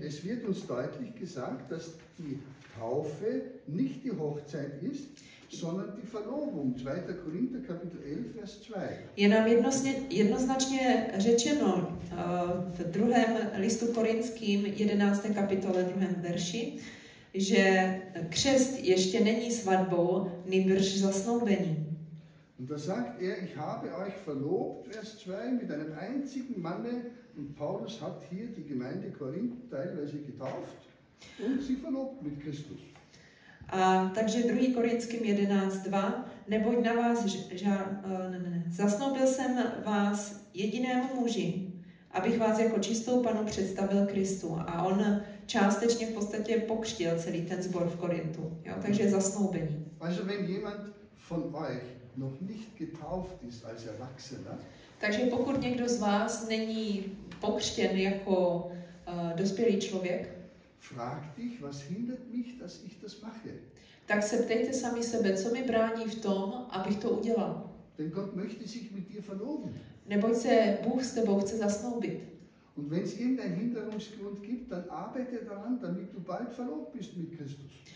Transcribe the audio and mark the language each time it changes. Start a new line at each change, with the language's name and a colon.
German: Es wird uns deutlich gesagt, dass die Taufe nicht die Hochzeit ist, sondern die Verlobung. 2. Korinther Kapitel 11 Vers 2.
Czech: Je nám jednoznačně řečeno v druhém listu korinským 11. kapitole 2. verši, že křest ještě není svatbou, nýbrž zasnoubení.
German: Und da sagt er, ich habe euch verlobt, Vers 2, mit einem einzigen Manne, und Paulus hat hier die Gemeinde Korinth teilweise getauft und sie verlobt mit Christus.
Czech: A takže 2. Korinským 11.2. Neboť na vás, zasnoubil jsem vás jedinému muži, abych vás jako čistou panu představil Kristu. A on částečně v podstatě pokřtil celý ten sbor v Korintu. Jo? Takže zasnoubení.
German: Also wenn jemand von euch noch nicht getauft ist als Erwachsener.
Czech: Takže pokud někdo z vás není pokřtěn jako dospělý člověk,
German: frag dich, was hindert mich, dass ich das mache?
Czech: Tak se ptejte sami sebe, co mi brání v tom, abych to udělal.
German: Denn Gott möchte sich mit dir verloben.
Czech: Neboť se Bůh s tebou chce zasnoubit.
German: Und wenn es irgendeinen Hinderungsgrund gibt, dann arbeite daran, damit du bald verlobt bist mit Christus.